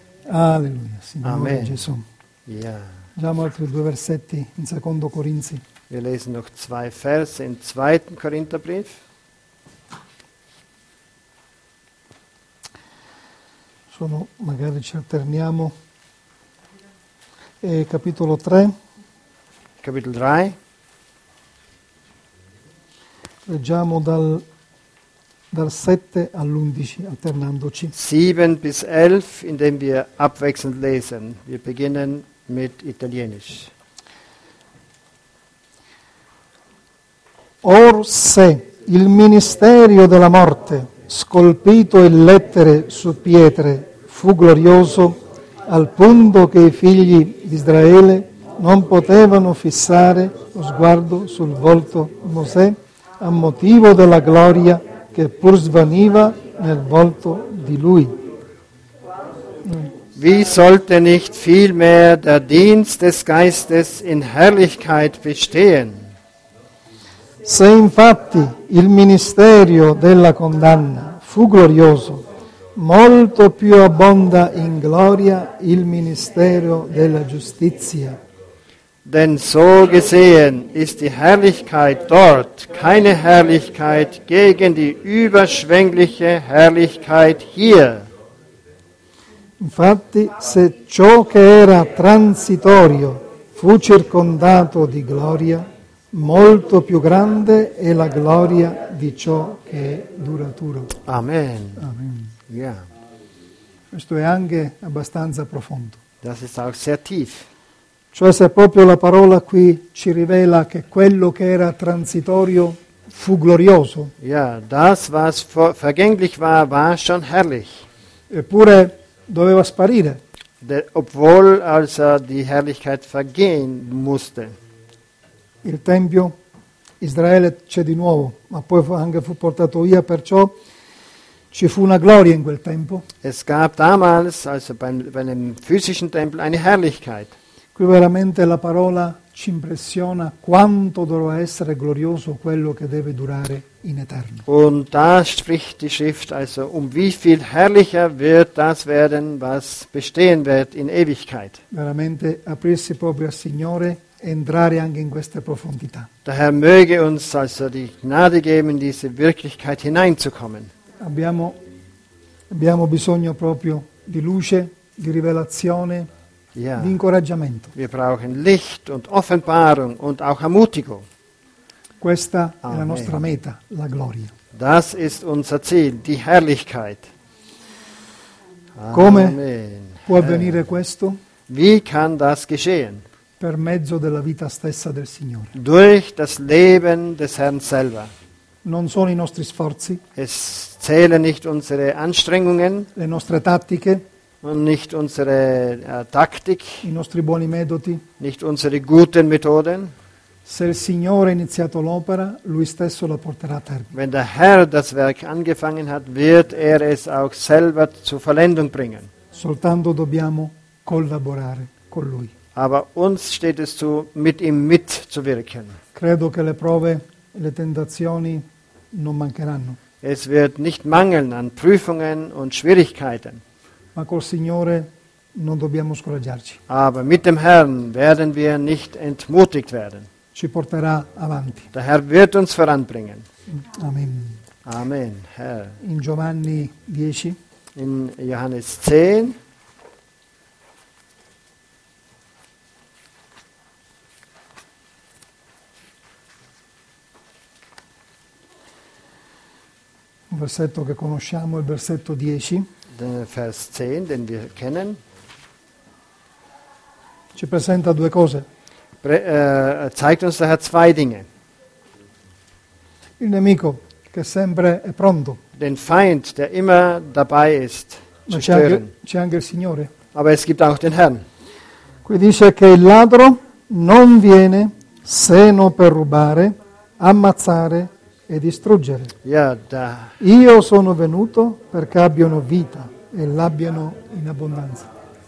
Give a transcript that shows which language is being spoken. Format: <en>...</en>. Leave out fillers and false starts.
<it>Alleluia, Signore Amen. Gesù.</it> <de>Ja.</de> <it>Leggiamo altri due versetti in Secondo Corinzi.</it> <de>Wir lesen noch zwei Verse in 2. Korintherbrief.</de> <it>Sono, magari ci alterniamo. E capitolo 3. Capitolo 3. Leggiamo dal 7 all'11, alternandoci. 7 bis 11, indem wir abwechselnd lesen. Wir beginnen mit Italienisch. Or se il ministero della morte, scolpito in lettere su pietre, fu glorioso, al punto che i figli di Israele non potevano fissare lo sguardo sul volto di Mosè, a motivo della gloria che pur svaniva nel volto di Lui.</it> <de>Wie sollte nicht vielmehr der Dienst des Geistes in Herrlichkeit bestehen?</de> <it>Se infatti il ministerio della condanna fu glorioso, molto più abbonda in gloria il ministerio della giustizia.</it> <de>Denn so gesehen ist die Herrlichkeit dort keine Herrlichkeit gegen die überschwängliche Herrlichkeit hier.</de> <it>Infatti, se ciò che era transitorio fu circondato di gloria, molto più grande è la gloria di ciò che è duraturo. Amen. Amen. Yeah. Questo è anche abbastanza profondo.</it> <de>Das ist auch sehr tief.</de> <it>Cioè, se proprio la parola qui ci rivela che quello che era transitorio fu glorioso.</it> <de>Yeah, das was vergänglich war, war schon herrlich.</de> <it>Eppure doveva sparire.</it> <de>Obwohl also die Herrlichkeit vergehen musste.</de> <it>Il Tempio, Israele c'è di nuovo, ma poi anche fu portato via, perciò ci fu una gloria in quel tempo.</it> <de>Es gab damals, also beim physischen Tempel, eine Herrlichkeit.</de> <it>Qui veramente la parola ci impressiona quanto dovrà essere glorioso quello che deve durare in eterno.</it> <de>Und da spricht die Schrift also, wie viel herrlicher wird das werden, was bestehen wird in Ewigkeit.</de> <it>Veramente aprirsi proprio al Signore, entrare anche in queste profondità.</it> <de>Der Herr möge uns also die Gnade geben, in diese Wirklichkeit hineinzukommen.</de> <it>Abbiamo bisogno proprio di luce, di rivelazione, yeah, di incoraggiamento.</it> <de>Wir brauchen Licht und Offenbarung und auch Ermutigung.</de> <it>Questa Amen. È la nostra meta, la gloria.</it> <de>Das ist unser Ziel, die Herrlichkeit.</de> <it>Come Amen. Può avvenire questo?</it> <de>Wie kann das geschehen?</de> <it>Per mezzo della vita stessa del Signore.</it> <de>Durch das Leben des Herrn selber.</de> <it>Non sono i nostri sforzi.</it> <de>Es zählen nicht unsere Anstrengungen.</de> <it>Le nostre tattiche.</it> <de>Und nicht unsere Taktik.</de> <it>I nostri buoni metodi.</it> <de>Nicht unsere guten Methoden.</de> <it>Se il Signore ha iniziato l'opera, Lui stesso la porterà a termine.</it> <de>Wenn der Herr das Werk angefangen hat, wird es auch selber zur Vollendung bringen.</de> <it>Soltanto dobbiamo collaborare con Lui.</it> <de>Aber uns steht es zu, mit ihm mitzuwirken.</de> <it>Credo che le prove, le tentazioni non mancheranno.</it> <de>Es wird nicht mangeln an Prüfungen und Schwierigkeiten.</de> <it>Ma col Signore non dobbiamo scoraggiarci.</it> <de>Aber mit dem Herrn werden wir nicht entmutigt werden.</de> <it>Ci porterà avanti.</it> <de>Der Herr wird uns voranbringen.</de> <it>Amen.</it> <de>Amen, Herr.</de> <it>In Giovanni 10.</it> <de>In Johannes 10.</de> <it>Un versetto che conosciamo, il versetto 10.</it> <de>Vers 10, den wir kennen.</de> <it>Ci presenta due cose.</it> <de>Zeigt uns daher zwei Dinge.</de> <it>Il nemico, che sempre è pronto.</it> <de>Den Feind, der immer dabei ist,</de> <it>ma</it> <de>zu stören.</de> <it>C'è anche il Signore.</it> <de>Aber es gibt auch den Herrn.</de> <it>Qui dice che il ladro non viene se non per rubare, ammazzare e distruggere. Io sono venuto perché abbiano vita e l'abbiano in abbondanza.</it>